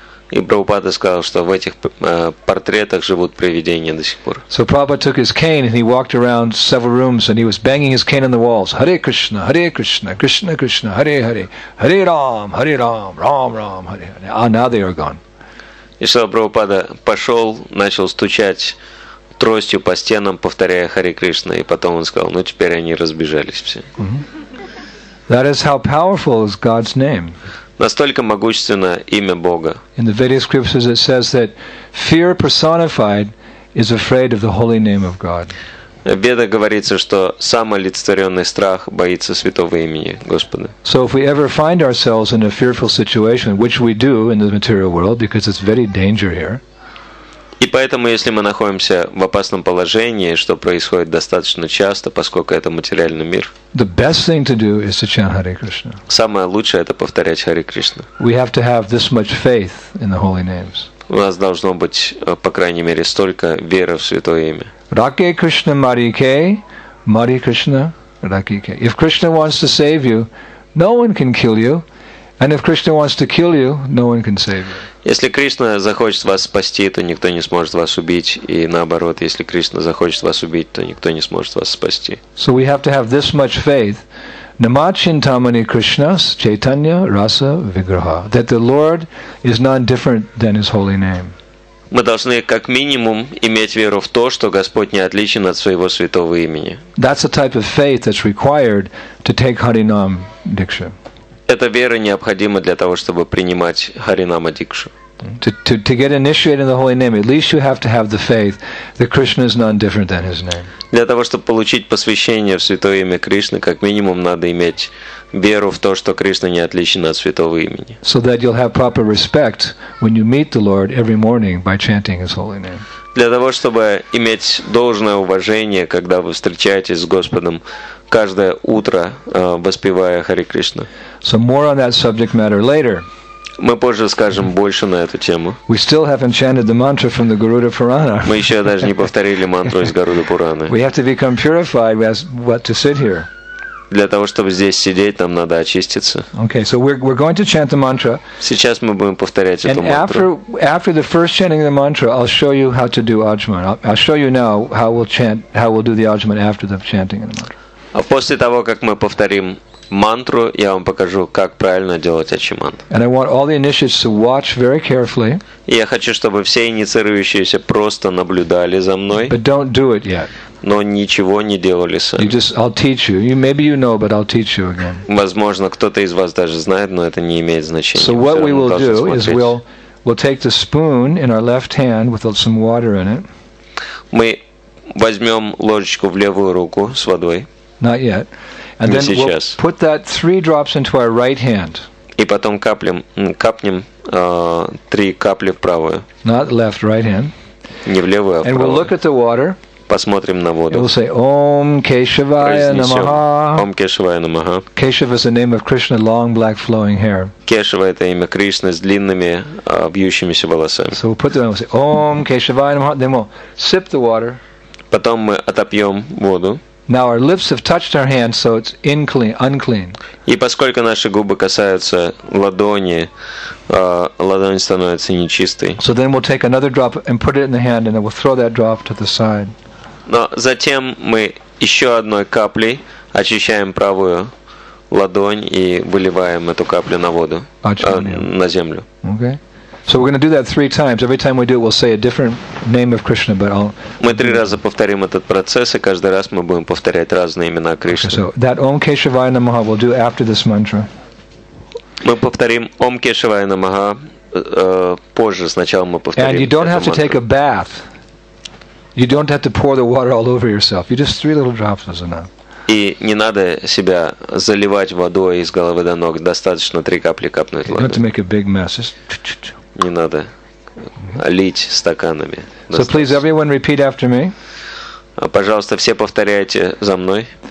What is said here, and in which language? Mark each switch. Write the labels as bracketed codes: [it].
[ru] И Прабхупада сказал, что в этих портретах живут привидения до сих пор. [en] So Prabhupada took his cane and he walked around several rooms and he was banging his cane on the walls. Hare Krishna, Hare Krishna, Krishna Krishna, Hare Hare, Hare Ram, Hare Ram, Ram Ram, Hare Hare. Ah, now they are gone. [ru] И Шрила Прабхупада пошел, начал стучать тростью по стенам, повторяя Харе Кришна, и потом он сказал, ну теперь они разбежались все. Mm-hmm. [en] That is how powerful is God's name. [ru] Настолько могущественно имя Бога. [en] In the Vedic scriptures it says that fear personified is afraid of the holy name of God. [ru] В Ведах говорится, что самоолицетворенный страх боится святого имени Господа. [en] So if we ever find ourselves in a fearful situation, which we do in the material world, because it's very dangerous here. [ru] И поэтому, если мы находимся в опасном положении, что происходит достаточно часто, поскольку это материальный мир, [en] the best thing to do is to chant Hare Krishna. [ru] Самое лучшее – это повторять Харе Кришна. [en] We have to have this much faith in the holy names. [ru] У нас должно быть, по крайней мере, столько веры в Святое Имя. Раке Кришна Марике, Мари Кришна Ракике. [en] If Krishna wants to save you, no one can kill you. And if Krishna wants to kill you, no one can save you. [ru] Если Кришна захочет вас спасти, то никто не сможет вас убить, и наоборот, если Кришна захочет вас убить, то никто не сможет вас спасти. [en] So we have to have this much faith. [sa] Nama Chintamani Krishna Chaitanya Rasa Vigraha, [en] that the Lord is not different than his holy name. [ru] Мы должны как минимум иметь веру в то, что Господь не отличен от своего святого имени. [en] That's the type of faith that's required to take Harinam Diksha. [ru] Эта вера необходима для того, чтобы принимать Харинама Дикшу. [en] To get initiated in the holy name, at least you have to have the faith that Krishna is none different than his name. [ru] Для того, чтобы получить посвящение в святое имя Кришны, как минимум надо иметь веру в то, что Кришна не отличен от святого имени. [en] So that you'll have proper respect when you meet the Lord every morning by chanting his holy name. [ru] Для того, чтобы иметь должное уважение, когда вы встречаетесь с Господом каждое утро, воспевая Харе Кришна. [en] So more on that subject matter later. [ru] Мы позже скажем больше на эту тему. [en] We still haven't chanted the mantra from the Garuda Purana. [ru] Мы еще даже не повторили мантру из Гаруда Пураны. [en] We have to become purified as what to sit here. [ru] Для того, чтобы здесь сидеть, нам надо очиститься. [en] Okay, so we're going to chant the mantra. [ru] Сейчас мы будем повторять эту мантру. [en] And after the first chanting of the mantra, I'll show you how to do ajman. I'll show you now how we'll do the ajman after the chanting of the mantra. [ru] А после того, как мы повторим мантру, я вам покажу, как правильно делать ачиман. [en] And I want all the initiates to watch very carefully. [ru] И я хочу, чтобы все инициирующиеся просто наблюдали за мной. [en] But don't do it yet. [ru] Но ничего не делали сами. [en] You just, I'll teach you. You, maybe you know, but I'll teach you again. [ru] Возможно, кто-то из вас даже знает, но это не имеет значения. [en] So what we will do is we'll take the spoon in our left hand with some water in it. [ru] Мы возьмем ложечку в левую руку с водой. [en] Not yet. And then [ru] сейчас. [en] We'll put that three drops into our right hand. [ru] И потом капнем три капли в правую. [en] Not left, right hand. [ru] Не в левую, а в правую. [en] And we'll look at the water. [ru] Посмотрим на воду. [en] And we'll say [sa] Om Keshavaya Namaha. Om Keshavaya Namaha. [en] Keshav is the name of Krishna, long black flowing hair. [ru] Кешава — это имя Кришны с длинными вьющимися волосами. [en] So we'll put them and we'll say [sa] Om Keshavaya Namaha. [en] Then we'll sip the water. [ru] Потом мы отопьем воду. [en] Now our lips have touched our hands, so it's unclean. [ru] И поскольку наши губы касаются ладони, ладонь становится нечистой. [en] So then we'll take another drop and put it in the hand, and then we'll throw that drop to the side. [ru] Но затем мы еще одной каплей очищаем правую ладонь и выливаем эту каплю на воду, на землю. [en] Okay. So we're going to do that three times. Every time we do it, we'll say a different name of Krishna, but I'll... [ru] Мы три раза повторим этот процесс, и каждый раз мы будем повторять разные имена Кришны. [en] So that [sa] Om Keshavaya Namaha [en] we'll do after this mantra. [ru] Мы повторим [sa] Om Keshavaya Namaha [ru] позже. Сначала мы повторим. [en] And you don't have to take a bath. You don't have to pour the water all over yourself. You just three little drops is enough. [ru] И не надо себя заливать водой из головы до ног. Достаточно три капли капнуть водой. [en] Not to make a big mess. [ru] Не надо лить стаканами. [en] So please, everyone, repeat after me. [ru] Пожалуйста, все повторяйте за мной.